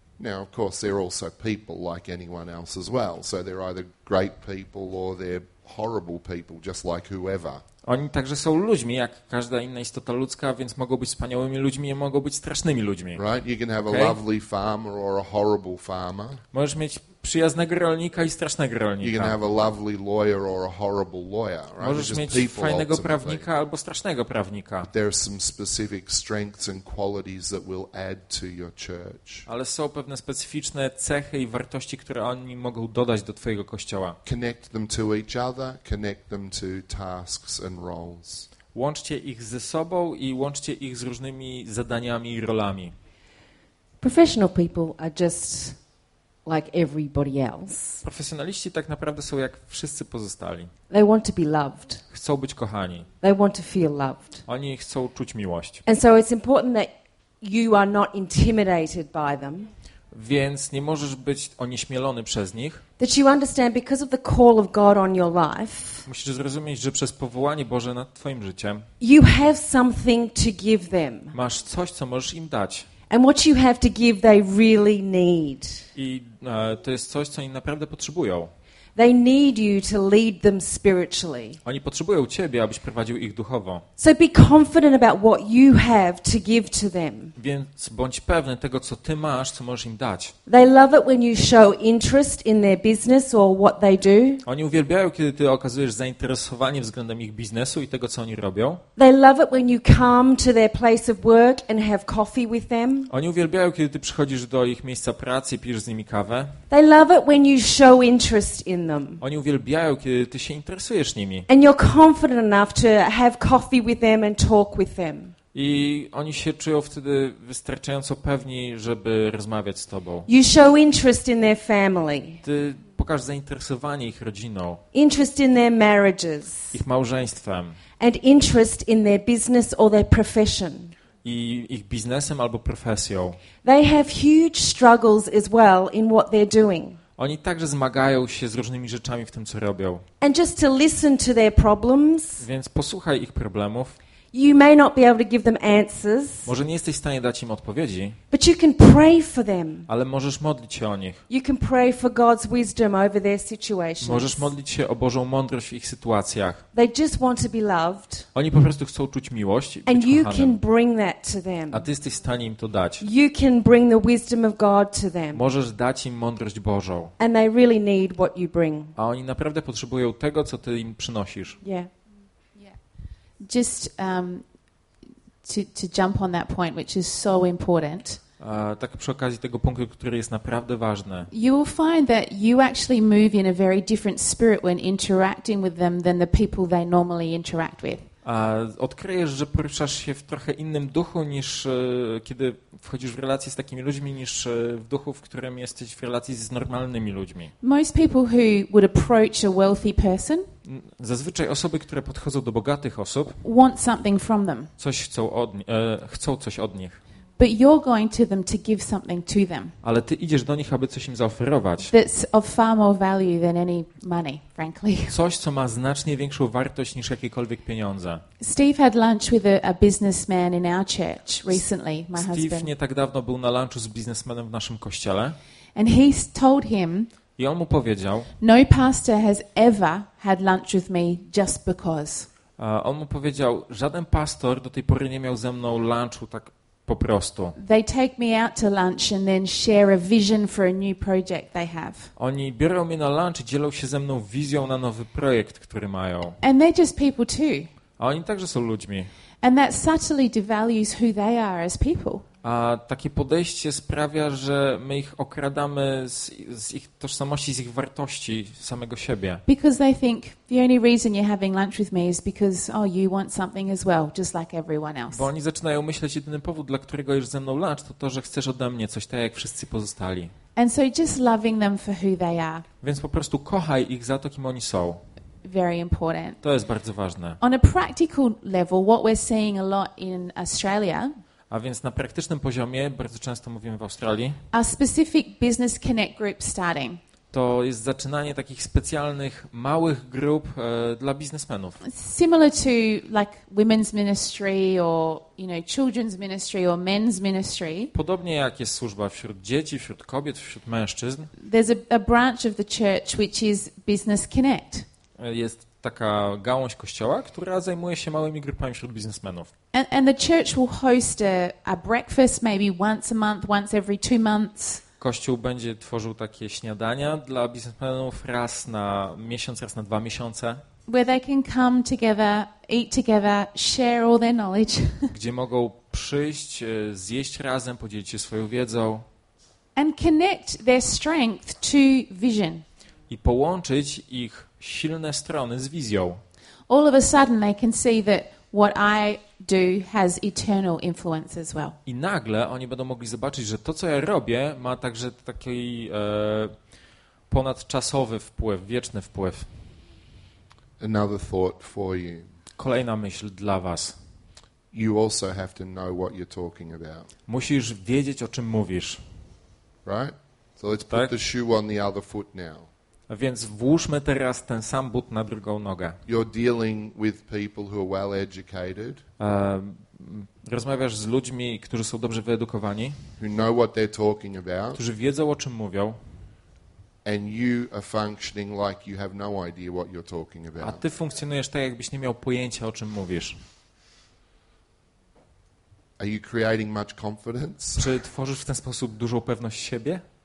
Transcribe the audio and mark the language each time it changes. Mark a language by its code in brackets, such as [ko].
[en] Now, of course, they're also people like anyone else as well. So they're either great people or they're horrible people, just like whoever. [pl] Oni także są ludźmi, jak każda inna istota ludzka, więc mogą być wspaniałymi ludźmi i mogą być strasznymi ludźmi. [en] Right? You can have a lovely farmer or a horrible farmer. [pl] Możesz mieć przyjaznego rolnika i strasznego rolnika. [en] You can have a lovely lawyer or a horrible lawyer. Right? [pl] Możesz mieć fajnego prawnika albo strasznego prawnika. [en] But there are some specific strengths and qualities that will add to your church. [pl] Ale są pewne specyficzne cechy i wartości, które oni mogą dodać do twojego kościoła. [en] Connect them to each other, connect them to tasks and roles. [pl] Łączcie ich ze sobą i łączcie ich z różnymi zadaniami i rolami. [en] Professional people are just like everybody else. [pl] Profesjonaliści tak naprawdę są jak wszyscy pozostali. [en] They want to be loved. [pl] Chcą być kochani. [en] They want to feel loved. [pl] Oni chcą czuć miłość. [en] And so it's important that you are not intimidated by them. [pl] Więc nie możesz być onieśmielony przez nich. [en] That you understand because of the call of God on your life. [pl] Musisz zrozumieć, że przez powołanie Boże nad twoim życiem. [en] You have something to give them. [pl] Masz coś, co możesz im dać. [en] And what you have to give, they really need. [pl] I to jest coś, co oni naprawdę potrzebują. [en] They need you to lead them spiritually. [pl] Oni potrzebują ciebie, abyś prowadził ich duchowo. [en] So be confident about what you have to give to them. [pl] Więc bądź pewny tego, co ty masz, co możesz im dać. [en] They love it when you show interest in their business or what they do. [pl] Oni uwielbiają, kiedy ty okazujesz zainteresowanie względem ich biznesu i tego, co oni robią. [en] They love it when you come to their place of work and have coffee with them. [pl] Oni uwielbiają, kiedy ty przychodzisz do ich miejsca pracy i pijesz z nimi kawę. [en] They love it when you show interest in [pl] oni uwielbiają, kiedy ty się interesujesz nimi. [en] And you're confident enough to have coffee with them and talk with them. [pl] I oni się czują wtedy wystarczająco pewni, żeby rozmawiać z tobą. [en] You show interest in their family. [pl] Ty pokaż zainteresowanie ich rodziną. [en] Interest in their marriages. [pl] Ich małżeństwem. [en] And interest in their business or their profession. [pl] I ich biznesem albo profesją. [en] They have huge struggles as well in what they're doing. [pl] Oni także zmagają się z różnymi rzeczami w tym, co robią. [en] And just to listen to their problems. [pl] Więc posłuchaj ich problemów. [en] You may not be able to give them answers. [pl] Może nie jesteś w stanie dać im odpowiedzi. [en] But you can pray for them. [pl] Ale możesz modlić się o nich. [en] You can pray for God's wisdom over their situations. [pl] Możesz modlić się o Bożą mądrość w ich sytuacjach. [en] They just want to be loved. [pl] Oni po prostu chcą czuć miłość i być [en] And you [pl] kochanym. [en] Can bring that to them. [pl] A ty jesteś w stanie im to dać. [en] You can bring the wisdom of God to them. [pl] Możesz dać im mądrość Bożą. [en] And they really need what you bring. [pl] A oni naprawdę potrzebują tego, co ty im przynosisz. [en] Yeah. Just to jump on that point, which is so important. [pl] Tak przy okazji tego punktu, który jest naprawdę ważny. [en] You will find that you actually move in a very different spirit when interacting with them than the people they normally interact with. [pl] Odkryjesz, że poruszasz się w trochę innym duchu niż kiedy wchodzisz w relacje z takimi ludźmi, niż w duchu, w którym jesteś w relacji z normalnymi ludźmi. [en] Most people who would approach a wealthy person. [pl] Zazwyczaj osoby, które podchodzą do bogatych osób, [en] want something from them. [pl] Coś chcą od, chcą coś od nich. [en] But you're going to them to give something to them. [pl] Ale ty idziesz do nich, aby coś im zaoferować. [en] That's of far more value than any money, frankly. [pl] Coś, co ma znacznie większą wartość niż jakiekolwiek pieniądze. [en] Steve had lunch with a businessman in our church recently, my husband. [pl] Steve nie tak dawno był na lunchu z biznesmenem w naszym kościele. [en] And he told him. [pl] I on mu powiedział. [en] No pastor has ever had lunch with me just because. [pl] On mu powiedział, żaden pastor do tej pory nie miał ze mną lunchu tak po prostu. [en] They take me out to lunch and then share a vision for a new project they have. [pl] Oni biorą mnie na lunch i dzielą się ze mną wizją na nowy projekt, który mają. [en] And they're just people too. [pl] A oni także są ludźmi. [en] And that subtly devalues who they are as people. [pl] A takie podejście sprawia, że my ich okradamy z ich tożsamości, z ich wartości, samego siebie. [en] Because they think the only reason you're having lunch with me is because oh you want something as well, just like everyone else. [pl] Bo oni zaczynają myśleć, jedyny powód, dla którego jesz ze mną lunch, to to, że chcesz ode mnie coś tak jak wszyscy pozostali. [en] And so just loving them for who they are. [pl] Więc po prostu kochaj ich za to, kim oni są. [en] Very important. [pl] To jest bardzo ważne. [en] On a practical level, what we're seeing a lot in Australia. [pl] A więc na praktycznym poziomie, bardzo często mówimy w Australii, [en] a specific business connect group starting. [pl] To jest zaczynanie takich specjalnych małych grup dla biznesmenów. [en] Similar to like women's ministry or you know children's ministry or men's ministry. [pl] Podobnie jak jest służba wśród dzieci, wśród kobiet, wśród mężczyzn. [en] There's a branch of the church which is business connect. [pl] Jest taka gałąź kościoła, która zajmuje się małymi grupami wśród biznesmenów. [en] And the church will host a breakfast maybe once a month, once every two months. [pl] Kościół będzie tworzył takie śniadania dla biznesmenów raz na miesiąc, raz na dwa miesiące. [en] Where they can come together, eat together, share all their knowledge. [pl] Gdzie mogą przyjść, zjeść razem, podzielić się swoją wiedzą. [en] And connect their strength to vision. [pl] I połączyć ich silne strony z wizją. [en] All of a sudden they can see that what I do has eternal influence as well. [pl] I nagle oni będą mogli zobaczyć, że to, co ja robię, ma także taki ponadczasowy wpływ, wieczny wpływ. [en] Another thought for you. [pl] Kolejna myśl dla was. [en] You also have to know what you're talking about. [pl] Musisz wiedzieć, o czym mówisz. [en] Right? So let's put the shoe on the other foot now. [pl] A więc włóżmy teraz ten sam but na drugą nogę. [en] You're dealing with people who are well educated. [pl] Rozmawiasz z ludźmi, którzy są dobrze wyedukowani. [en] Who know what they're talking about. [pl] Którzy wiedzą, o czym mówią. [en] And you are functioning like you have no idea what you're talking about. [pl] A ty funkcjonujesz tak, jakbyś nie miał pojęcia, o czym mówisz. [en] Are you creating much confidence? [pl] Czy tworzysz w ten sposób dużą pewność siebie?